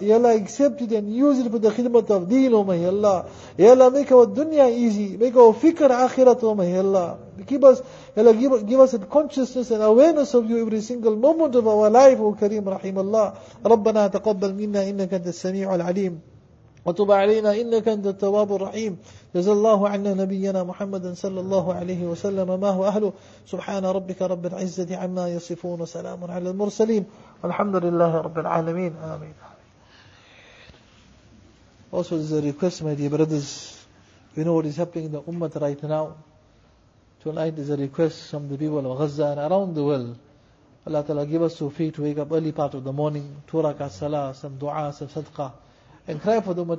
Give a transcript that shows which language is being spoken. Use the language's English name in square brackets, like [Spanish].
[English] Yalla, accept it and use it for the khidmat of deen, oh my Allah. Yalla, make our dunya easy. Make our fikr akhirat, oh my Allah. Keep us, yalla, give us a consciousness and awareness of you every single moment of our life, oh Kareem, Rahim Allah. [Arabic] Rabbana taqabbal minna innaka antas sami'ul alim. وتب علينا إنك أنت التواب الرحيم جزا الله عنا نبينا محمد صلى الله عليه وسلم ما هو أهله سبحان ربك رب العزة عما يصفون وسلام على المرسلين والحمد لله رب العالمين آمين. [English] Also this is a request, my dear brothers, you know what is happening in the ummah right now. Tonight is a request from the people of Gaza and around the world. Allah Ta'ala give us sufi to wake up early part of the morning, turaka salah, some dua, some sadqa, and cry for the ummah.